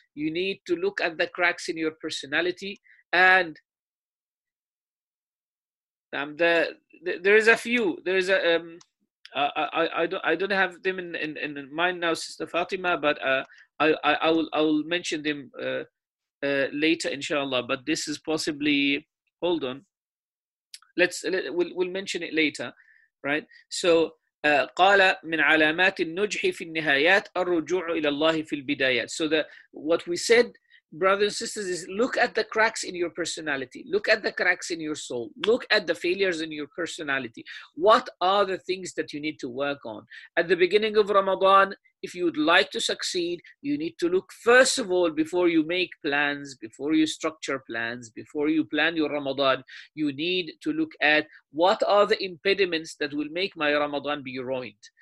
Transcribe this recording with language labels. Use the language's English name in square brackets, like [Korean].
[English] You need to look at the cracks in your personality. And I don't have them in mind now, Sister Fatima, but I will mention them later, inshallah. But this is possibly, hold on, we'll mention it later, right? [Arabic] So قال من علامات النجح في النهايات الرجوع إلى الله في البدايات. [English] So that what we said, brothers and sisters, is look at the cracks in your personality, look at the cracks in your soul, look at the failures in your personality. What are the things that you need to work on at the beginning of Ramadan? If you would like to succeed, you need to look, first of all, before you make plans, before you structure plans, before you plan your Ramadan, you need to look at what are the impediments that will make my Ramadan be ruined.